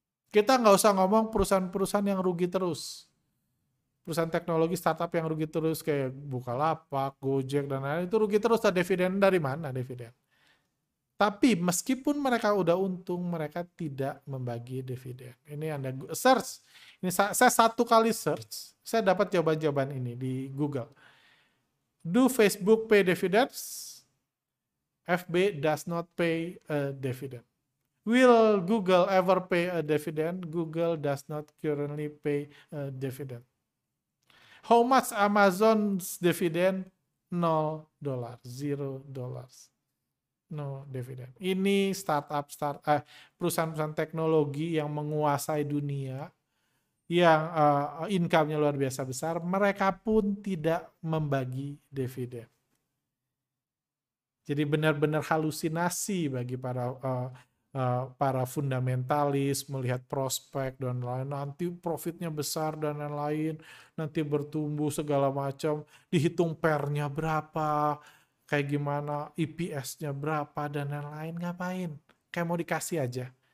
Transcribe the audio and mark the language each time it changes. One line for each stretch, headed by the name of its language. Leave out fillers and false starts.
Indonesian: Kita nggak usah ngomong perusahaan-perusahaan yang rugi terus. Perusahaan teknologi startup yang rugi terus kayak Bukalapak, Gojek, dan lain-lain itu rugi terus. Dividen dari mana dividen? Tapi meskipun mereka udah untung, mereka tidak membagi dividen. Ini Anda search. Ini saya satu kali search, saya dapat jawaban-jawaban ini di Google.
English: Do Facebook pay dividends? FB does not pay a dividend. Will Google ever pay a dividend? Google does not currently pay a dividend. How much Amazon's dividend? $0. No dividend.
Indonesian: Ini startup perusahaan-perusahaan teknologi yang menguasai dunia, yang income-nya luar biasa besar, mereka pun tidak membagi dividen. Jadi benar-benar halusinasi bagi para para fundamentalis melihat prospek dan lain-lain, nanti profitnya besar dan lain-lain, nanti bertumbuh segala macam, dihitung PER-nya berapa, kayak gimana, EPS-nya berapa, dan lain-lain, ngapain? Kayak mau dikasih aja.